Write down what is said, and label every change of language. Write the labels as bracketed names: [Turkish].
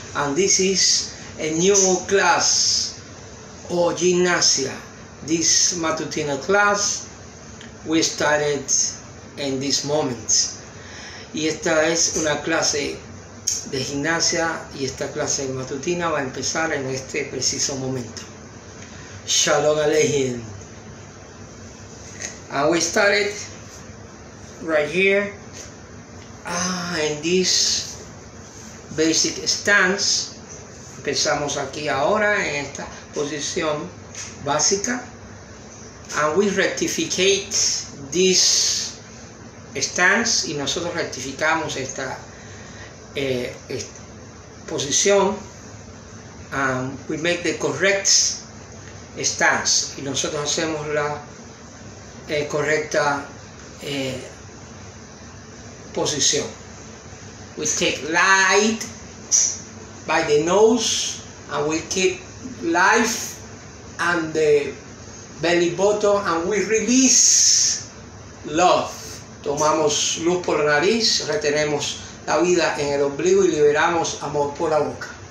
[English] And this is a new class or gymnasia. This matutina class we started in this moment. [Spanish] Y esta es una clase de gimnasia y esta clase de matutina va a empezar en este preciso momento. [Hebrew] Shalom Aleichem. [English] And we started right here in this basic stance. [Spanish] Empezamos aquí ahora en esta posición básica. [English] And we rectificate this stance [Spanish] y nosotros rectificamos esta posición. [English] We make the correct stance [Spanish] y nosotros hacemos la correcta posición. [English] We take light by the nose and we keep life and the belly button and we release love. [Spanish] Tomamos luz por la nariz, retenemos la vida en el ombligo y liberamos amor por la boca.